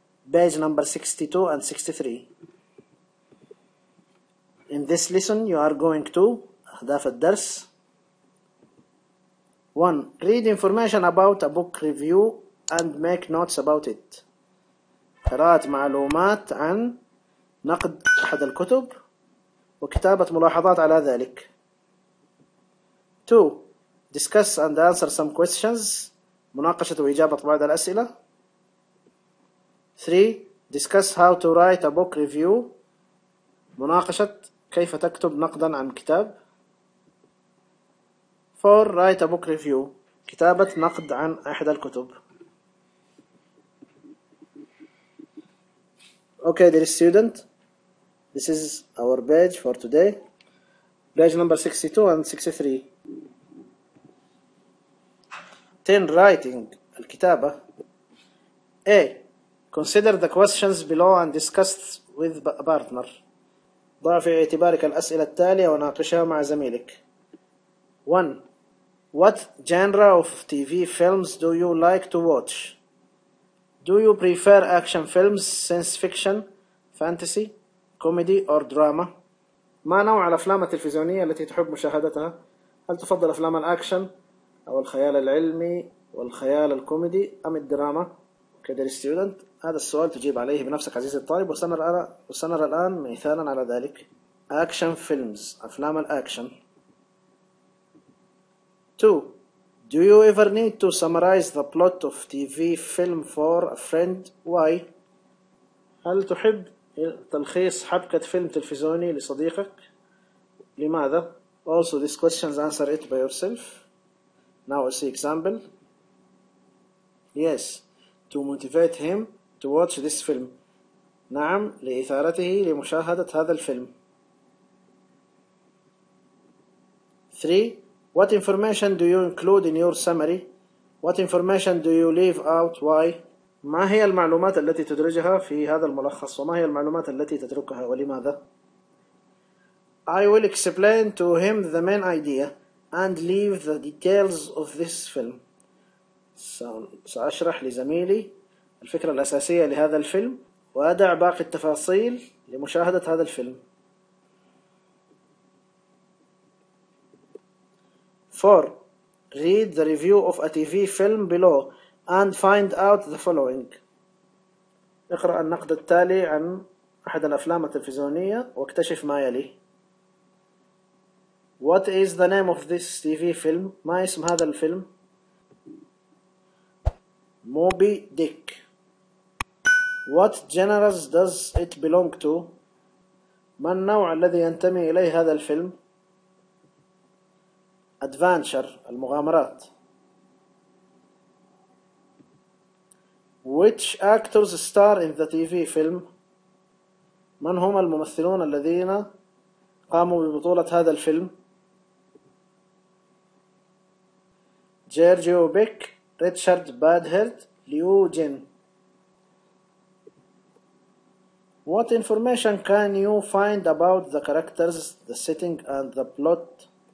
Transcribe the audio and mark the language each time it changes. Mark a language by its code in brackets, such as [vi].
[en] Page number 62 and 63. In this lesson, you are going to [ar] أهداف الدرس. [en] 1. Read information about a book review and make notes about it. [ar] قراءة معلومات عن نقد أحد الكتب وكتابة ملاحظات على ذلك. [en] 2. Discuss and answer some questions. [ar] مناقشة وإجابة بعض الأسئلة. [en] 3. Discuss how to write a book review. [ar] مناقشة كيف تكتب نقدا عن كتاب. [en] 4. Write a book review. [ar] كتابة نقد عن أحد الكتب. [en] Okay, dear student. This is our page for today. Page number 62 and 63. 10. Writing. الكتابة. A. Consider the questions below and discuss with a partner. [ar] ضع في اعتبارك الأسئلة التالية وناقشها مع زميلك. 1. [en] What genre of TV films do you like to watch? Do you prefer action films, science fiction, fantasy, comedy or drama? [ar] ما نوع الأفلام التلفزيونية التي تحب مشاهدتها؟ هل تفضل أفلام الأكشن أو الخيال العلمي والخيال الكوميدي أم الدراما؟ كدير ستودنت، هذا السؤال تجيب عليه بنفسك عزيزي الطالب، وسنرى الآن مثالا على ذلك. [en] Action films، [ar] أفلام الأكشن. 2. [en] Do you ever need to summarize the plot of TV film for a friend? Why? [ar] هل تحب تلخيص حبكة فيلم تلفزيوني لصديقك؟ لماذا؟ [en] Also, these questions answer it by yourself. Now I see example. Yes, to motivate him to watch this film. [ar] نعم، لإثارته لمشاهدة هذا الفيلم. 3. [en] What information do you include in your summary? What information do you leave out? Why? [ar] ما هي المعلومات التي تدرجها في هذا الملخص؟ وما هي المعلومات التي تتركها؟ ولماذا؟ [en] I will explain to him the main idea and leave the details of this film. [ar] سأشرح لزميلي الفكرة الأساسية لهذا الفيلم وأدع باقي التفاصيل لمشاهدة هذا الفيلم. 4. [en] Read the review of a TV film below and find out the following. [ar] اقرأ النقد التالي عن أحد الأفلام التلفزيونية واكتشف ما يلي. [en] What is the name of this TV film? [ar] ما اسم هذا الفيلم؟ Moby Dick. [en] What genres does it belong to? [ar] ما النوع الذي ينتمي إليه هذا الفيلم؟ Adventure, المغامرات. [en] Which actors star in the TV film? [ar] من هم الممثلون الذين قاموا ببطولة هذا الفيلم؟ جيرجيو بيك، ريتشارد بادهيرد، ليو جين. [en] What information can you find about the characters, the setting and the plot?